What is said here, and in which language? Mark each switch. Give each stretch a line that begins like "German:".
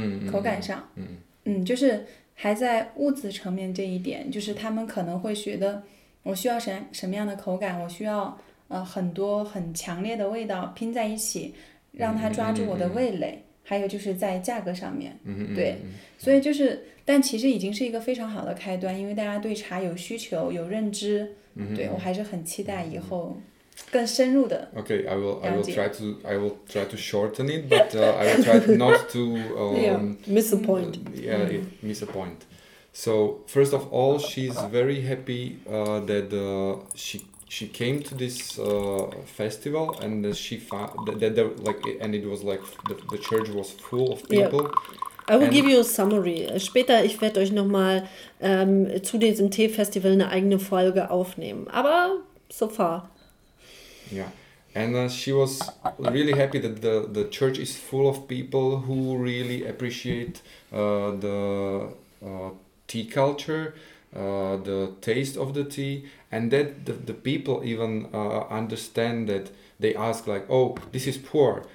Chinese: 口感上就是还在物质层面这一点，就是他们可能会觉得我需要什么样的口感，我需要很多很强烈的味道拼在一起让它抓住我的味蕾，还有就是在价格上面对，所以就是但其实已经是一个非常好的开端，因为大家对茶有需求有认知，对，我还是很期待以后更深入的了解。
English: OK, I will try to shorten it, but I will try not to miss a point. So first of all, she's very happy that she came to this festival and she found that the church was full of people. Yeah. I will give you a summary.
German: Später, ich werde euch nochmal zu diesem Tee-Festival eine eigene Folge aufnehmen. Aber
English: so far. Yeah, and she was really happy that the church is full of people who really appreciate the tea culture, the taste of the tea, and that the people even understand that they ask like, oh, this is poor.